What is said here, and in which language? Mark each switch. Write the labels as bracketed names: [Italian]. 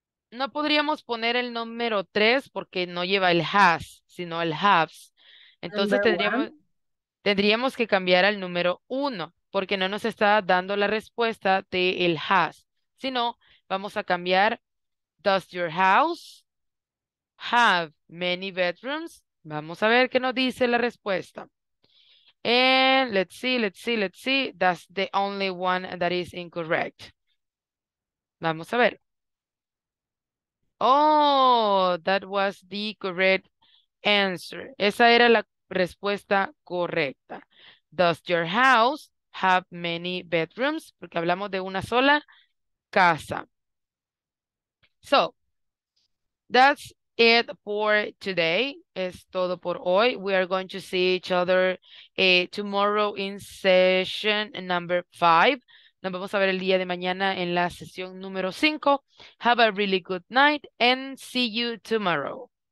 [Spanish] no podríamos poner el número 3 porque no lleva el has, sino el has. Entonces tendríamos que cambiar al número 1 porque no nos está dando la respuesta de el has. Sino, vamos a cambiar [English] does your house have many bedrooms? [Spanish] Vamos a ver qué nos dice la respuesta. [English] And let's see. That's the only one that is incorrect. [Spanish] Vamos a ver. [English] Oh, that was the correct answer. [Spanish] Esa era la respuesta correcta. [English] Does your house have many bedrooms? [Spanish] Porque hablamos de una sola casa. [English] So, that's it for today. [Spanish] Es todo por hoy. [English] We are going to see each other tomorrow in session number 5. [Spanish] Nos vamos a ver el día de mañana en la sesión número 5. [English] Have a really good night and see you tomorrow.